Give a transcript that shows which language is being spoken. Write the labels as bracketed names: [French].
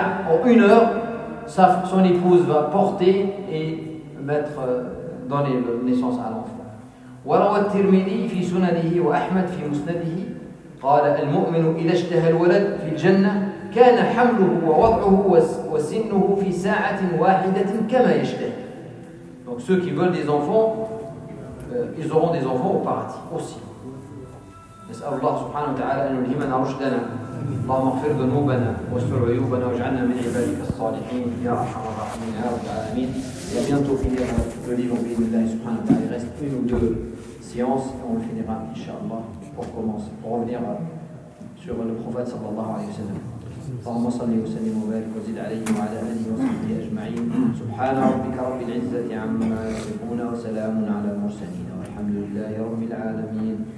[French] En une heure, son épouse va porter et mettre, donner naissance à l'enfant. [Arabic] وروى الترمذي في سننه وأحمد في مسنده قال المؤمن إذا اشتهى الولد في الجنة كان حمله ووضعه وسنه في ساعة واحدة كما يشتهي. [French] Donc ceux qui veulent des enfants, ils auront des enfants au paradis aussi. [Arabic] نسأل الله سبحانه وتعالى أن يلهمنا رشدنا. اللهم اغفر ذنوبنا واستر عيوبنا واجعلنا من عبادك الصالحين يا أرحم الراحمين يا رب العالمين. [French] Et à bientôt finir le livre en bien de l'Allah subhanahu wa ta'ala. Il reste une ou deux séances et on le finira, inshallah, pour commencer, pour revenir sur le prophète sallallahu alayhi wa sallam. [Arabic] اللهم صل وسلم وبارك وزد عليه وعلى اله وصحبه اجمعين. سبحان ربك رب العزه عما يصفون وسلام على المرسلين والحمد لله رب العالمين.